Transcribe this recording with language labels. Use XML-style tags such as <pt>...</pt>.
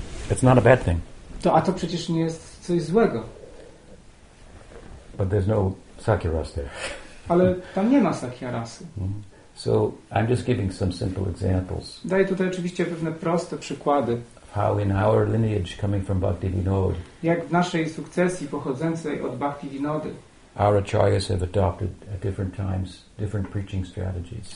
<en>It's not a bad thing.</en> <pl>To przecież nie jest coś złego.</pl> <en>But there's no sakyaras there.</en> <pl>Ale tam nie ma sakyarasy.</pl> <en>So I'm just giving some simple examples.</en> <pl>Daję tutaj oczywiście pewne proste przykłady.</pl> <en>how in our lineage coming from Bhakti Vinod,</en> <pl>jak w naszej sukcesji pochodzącej od Bhakti Vinody,</pl> <en>our acharyas have adopted at different times different preaching strategies.</en>